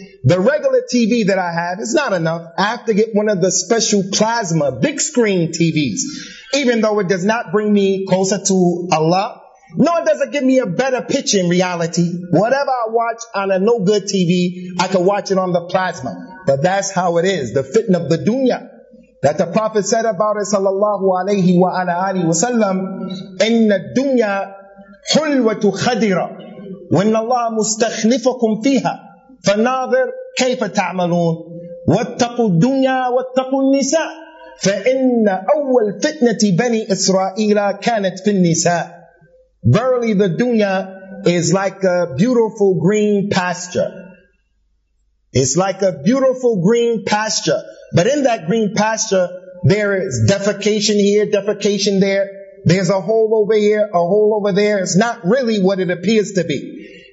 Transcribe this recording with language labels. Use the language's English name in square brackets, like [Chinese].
[English] The regular TV that I have is not enough. I have to get one of the special plasma, big screen TVs. Even though it does not bring me closer to Allah, nor does it give me a better picture in reality. Whatever I watch on a no good TV, I can watch it on the plasma. But that's how it is, the fitna of the dunya. That the Prophet said about it, sallallahu alayhi wa ala alihi wa sallam, [Arabic] إِنَّ الدُّنْيَا حُلْوَةُ خَدِرًا وَإِنَّ اللَّهَ مُسْتَخْلِفَكُمْ فِيهَا فَنَاظِرْ كَيْفَ تَعْمَلُونَ وَاتَّقُوا الدُّنْيَا وَاتَّقُوا النِّسَاءَ فَإِنَّ أَوَّلْ فِتْنَةِ بَنِي إِسْرَائِيلَ كَانَتْ فِي النِّسَاءَ. [English] Verily the dunya is like a beautiful green pasture. It's like a beautiful green pasture. But in that green pasture, there is defecation here, defecation there. There's a hole over here, a hole over there. It's not really what it appears to be.